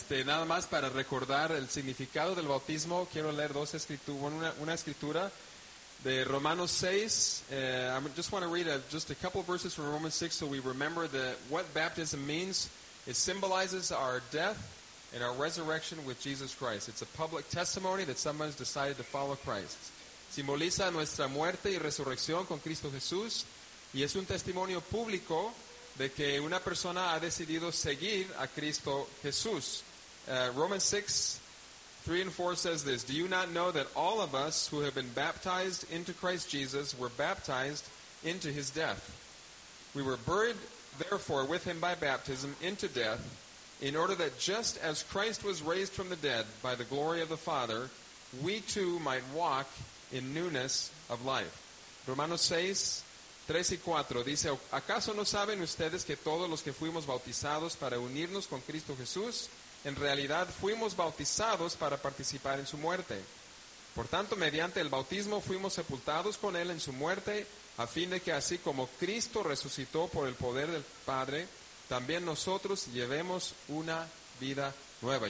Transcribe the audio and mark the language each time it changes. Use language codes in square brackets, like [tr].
[es] Nada más para recordar el significado del bautismo, quiero leer dos escrituras, una escritura de Romanos 6. [en] I just want to read just a couple of verses from Romans 6 so we remember that what baptism means. It symbolizes our death and our resurrection with Jesus Christ. It's a public testimony that someone's decided to follow Christ. [es] Simboliza nuestra muerte y resurrección con Cristo Jesús. Y es un testimonio público de que una persona ha decidido seguir a Cristo Jesús. [en] Romans 6, 3 and 4 says this. Do you not know that all of us who have been baptized into Christ Jesus were baptized into his death? We were buried, therefore, with him by baptism into death, in order that just as Christ was raised from the dead by the glory of the Father, we too might walk in newness of life. [es] Romanos 6, 3 y 4 dice, ¿acaso no saben ustedes que todos los que fuimos bautizados para unirnos con Cristo Jesús, en realidad fuimos bautizados para participar en su muerte? Por tanto, mediante el bautismo fuimos sepultados con él en su muerte, a fin de que así como Cristo resucitó por el poder del Padre, también nosotros llevemos una vida nueva.